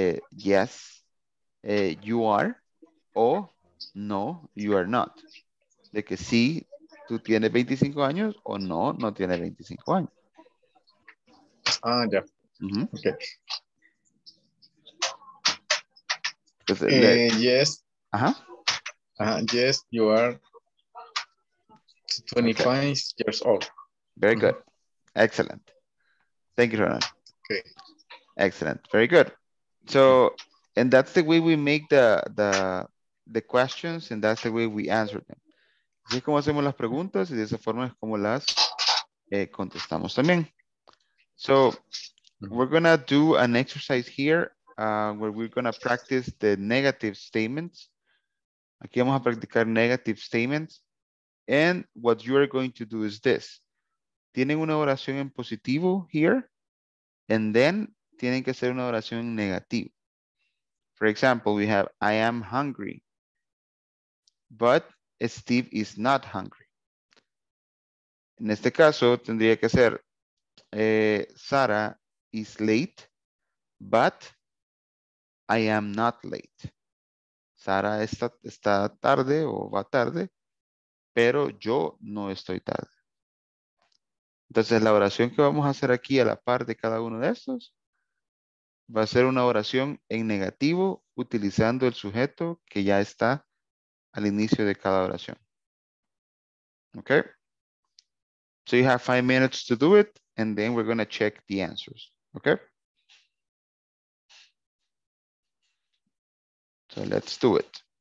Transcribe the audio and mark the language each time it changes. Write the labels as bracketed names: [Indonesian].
[English] Yes, you are, [Spanish] o no, [English] you are not. [Spanish] De que sí, tú tienes 25 años, o no, no tienes 25 años. [English] Ah, ya. Yeah. Okay. Pues, yes. Ajá. Yes, you are 25 okay. years old. Very good. Excellent. Thank you, Ronald. Okay. Excellent. Very good. So, and that's the way we make the questions, and that's the way we answer them. [Spanish] Así es como hacemos las preguntas, y de esa forma es como las contestamos también. [English] So, we're going to do an exercise here, where we're going to practice the negative statements. [Spanish] Aquí vamos a practicar [English] negative statements. And what you are going to do is this. [Spanish] Tienen una oración en positivo [English] here, and then [Spanish] tienen que hacer una oración en negativo. [English] For example, we have, I am hungry, but Steve is not hungry. [Spanish] En este caso, tendría que ser, [English] Sarah is late, but I am not late. [Spanish] Sarah está tarde o va tarde, pero yo no estoy tarde. Entonces, la oración que vamos a hacer aquí a la par de cada uno de estos, va a ser una oración en negativo utilizando el sujeto que ya está al inicio de cada oración. [English] Okay? So you have 5 minutes to do it and then we're going to check the answers. Okay? So let's do it.